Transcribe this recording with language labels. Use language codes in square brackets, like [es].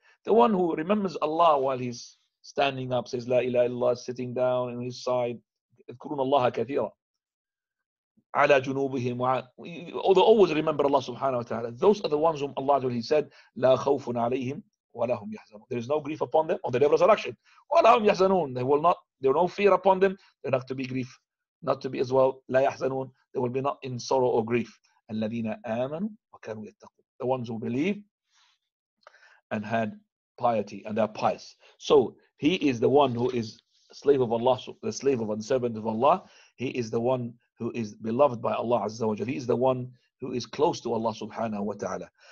[en] The one who remembers Allah while he's standing up, says [ar] la ilaha illallah, [en] sitting down on his side, [ar] اذكرون الله كثيرا على جنوبهم, [en] although always remember Allah subhanahu wa ta'ala. Those are the ones whom Allah, he said, [ar] لا خوف عليهم ولا هم يحزنون. [en] There is no grief upon them on the day of resurrection. [ar] ولا هم يحزنون. [en] There will no fear upon them. They're not to be grief. Not to be as well. [ar] لا يحزنون. [en] They will be not in sorrow or grief. [ar] الذين آمنوا وكانوا يتقون. [en] The ones who believe and had piety and are pious. So he is the one who is slave of Allah, the slave of and servant of Allah. He is the one who is beloved by Allah Azza wa Jalla. He is the one who is close to Allah subhanahu wa ta'ala.